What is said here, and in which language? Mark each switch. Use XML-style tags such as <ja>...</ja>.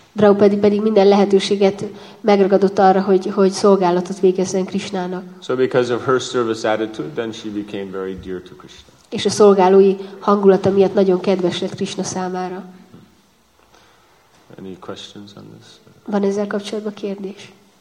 <hu>Draupadi pedig minden lehetőséget megragadott arra, hogy szolgálatot végezzen Krishnának.</hu> <en>So because of her service attitude, then she became very dear to Krishna.</en> <hu>És a szolgálói hangulata miatt nagyon kedves lett Krishna számára.</hu> <en>Any questions on this?</en> <hu>Van ezzel kapcsolatban kérdés?</hu>